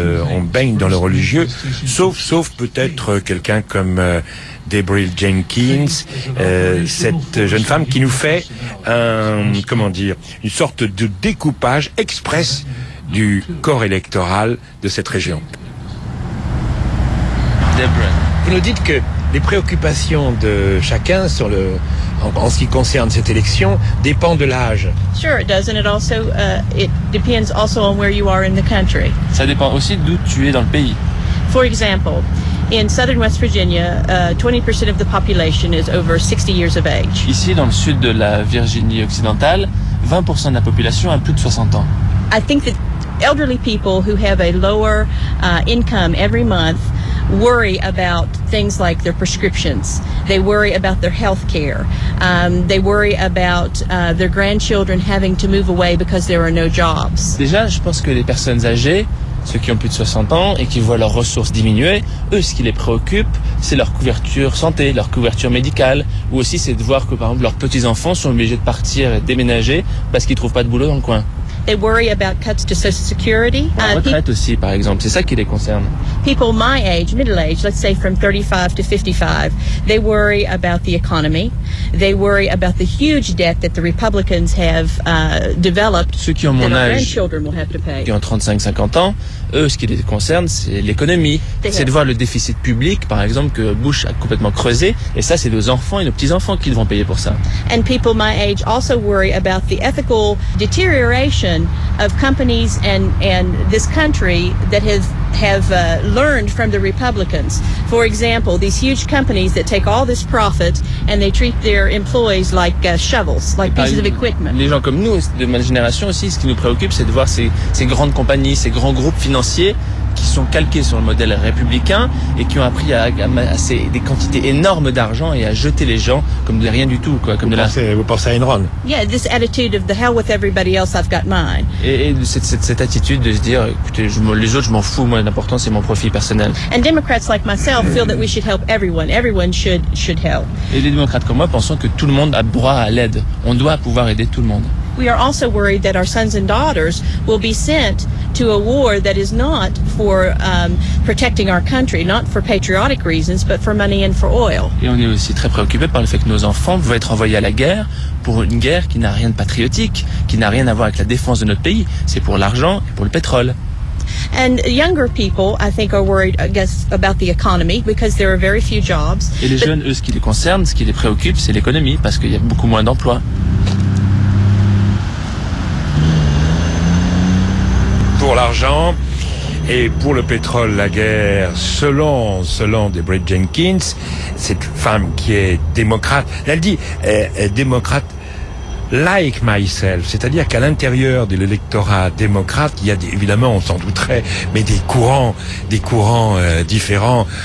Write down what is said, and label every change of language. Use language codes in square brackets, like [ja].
[fr] On baigne dans le religieux, sauf peut-être quelqu'un comme Debril Jenkins, cette jeune femme qui nous fait une sorte de découpage express du corps électoral de cette région. Debril, vous nous dites que les préoccupations de chacun sur le en ce qui concerne cette élection dépend de l'âge. [en] Sure, it does, and it also it depends also on where you are in the country. [fr] Ça dépend aussi d'où tu es dans le pays. [en] For example, in southern West Virginia, 20% of the population is over 60 years of age. [fr] Ici, dans le sud de la Virginie occidentale, 20% de la population a plus de 60 ans. [en] I think that elderly people who have a lower income every month worry about things like their prescriptions. They worry about their health care. They worry about their grandchildren having to move away because there are no jobs. [fr] Déjà, je pense que les personnes âgées, ceux qui ont plus de 60 ans et qui voient leurs ressources diminuer, eux, ce qui les préoccupe, c'est leur couverture santé, leur couverture médicale, ou aussi c'est de voir que, par exemple, leurs petits-enfants sont obligés de partir et déménager parce qu'ils ne trouvent pas de boulot dans le coin. [en] They worry about cuts to Social Security. [fr] Retraite aussi, par exemple. C'est ça qui les concerne. [en] People my age, middle age, let's say from 35 to 55, they worry about the economy. They worry about the huge debt that the Republicans have developed. [fr] Ceux qui ont mon âge, [en] grandchildren will have to pay. [fr] Qui ont 35-50 ans, eux, ce qui les concerne, c'est l'économie. C'est de voir le déficit public, par exemple, que Bush a complètement creusé. Et ça, c'est nos enfants et nos petits-enfants qui devront payer pour ça. [en] And people my age also worry about the ethical deterioration of companies and this country that have learned from the Republicans. For example, these huge companies that take all this profit and they treat their employees like shovels, like pieces of equipment. [fr] Les gens comme nous, de ma génération aussi, ce qui nous préoccupe, c'est de voir ces grandes compagnies, ces grands groupes financiers qui sont calqués sur le modèle républicain et qui ont appris à amasser des quantités énormes d'argent et à jeter les gens comme de rien du tout, quoi, comme Vous pensez à Enron? [en] Yeah, this attitude of the hell with everybody else, I've got mine. [fr] Et cette attitude de se dire, écoutez, les autres, je m'en fous, moi, l'important, c'est mon profit personnel. [en] And Democrats like myself feel that we should help everyone. Everyone should help. [fr] Et les démocrates comme moi pensons que tout le monde a droit à l'aide. On doit pouvoir aider tout le monde. [en] We are also worried that our sons and daughters will be sent to a war that is not for protecting our country, not for patriotic reasons, but for money and for oil. [fr] Et on est aussi très préoccupé par le fait que nos enfants vont être envoyés à la guerre pour une guerre qui n'a rien de patriotique, qui n'a rien à voir avec la défense de notre pays. C'est pour l'argent et pour le pétrole. [en] And younger people, I think, are worried, I guess, about the economy because there are very few jobs. [fr] Et les jeunes, eux, ce qui les concerne, ce qui les préoccupe, c'est l'économie parce qu'il y a beaucoup moins d'emplois. Pour l'argent et pour le pétrole, la guerre, selon Debra Jenkins, cette femme qui est démocrate, elle dit démocrate [en] like myself, [fr] c'est-à-dire qu'à l'intérieur de l'électorat démocrate, il y a évidemment, on s'en douterait, mais des courants différents.